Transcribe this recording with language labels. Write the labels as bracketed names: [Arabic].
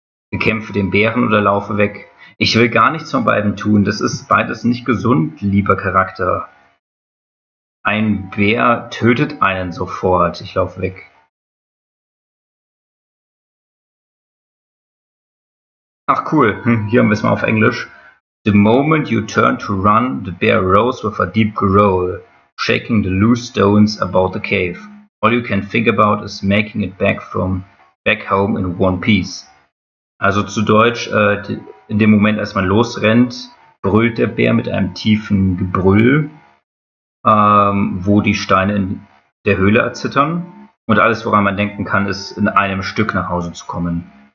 [German] Bekämpfe den Bären oder laufe weg. Ich will gar nichts von beiden tun. Das ist beides nicht gesund, lieber Charakter. Ein Bär tötet einen sofort. Ich laufe weg. Ach cool. Hier haben wir es mal auf Englisch. [English] The moment you turn to run, the bear roars with a deep growl, shaking the loose stones about the cave. All you can think about is making it back home in one piece. [German] Also zu Deutsch, in dem Moment, als man losrennt, brüllt der Bär mit einem tiefen Gebrüll, wo die Steine in der Höhle erzittern. Und alles, woran man denken kann, ist, in einem Stück nach Hause zu kommen.